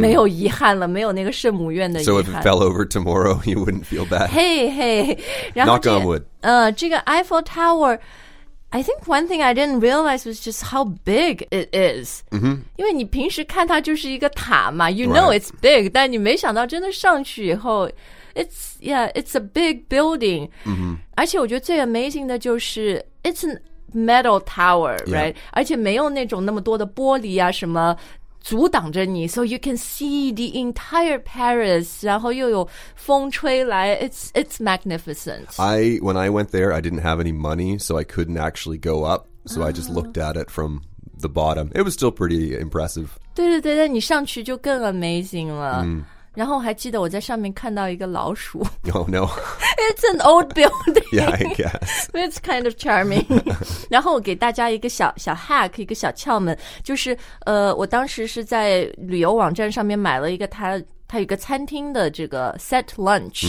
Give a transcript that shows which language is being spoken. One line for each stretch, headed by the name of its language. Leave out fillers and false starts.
Chinese: 没有遗憾了没有那个圣母院的遗憾
English: So if it fell over tomorrow, you wouldn't feel bad. Hey, hey. Knock on wood.
Chinese: 这个
English: Eiffel Tower, I think one thing I didn't realize was just how big it is.、 Mm-hmm.
Chinese: 因为你平时看它就是一个塔嘛
English: You know、right. it's big,
Chinese: 但你没想到真的上去以后
English: It's a big building.、 Mm-hmm.
Chinese: 而且我觉得最 amazing 的就是
English: it's a metal tower,、 yeah. right?
Chinese: 而且没有那种那么多的玻璃啊什么阻挡着你
English: So you can see the entire Paris,
Chinese: 然后又有风吹来
English: It's magnificent. When I went there, I didn't have any money, so I couldn't actually go up. So、I just looked at it from the bottom. It was still pretty impressive.
Chinese: 对对对，但你上去就更 amazing 了。
English: Mm.
Chinese: 然后我还记得我在上面看到一个老鼠。
English: Oh, no. It's an old building. Yeah, I guess. It's kind of charming.
Chinese: 然后我给大家一个小 hack, 一个小窍门。就是我当时是在旅游网站上面买了一个它有一个餐厅的这个 set lunch.、